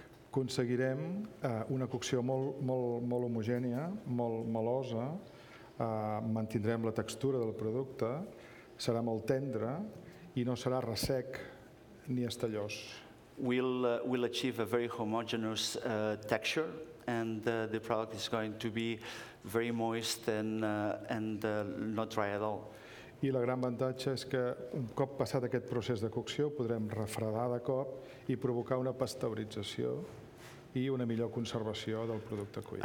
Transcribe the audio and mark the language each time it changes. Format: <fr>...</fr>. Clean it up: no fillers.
<ca>Aconseguirem una cocció molt homogènia, molt melosa, mantindrem la textura del producte, serà molt tendre i no serà ressec ni estellós.</ca> <en>We'll achieve a very homogeneous texture and the product is going to be very moist and not dry at all.</en> <ca>I la gran avantatge és que un cop passat aquest procés de cocció podrem refredar de cop I provocar una pasteurització I una millor conservació del producte cuit.</ca>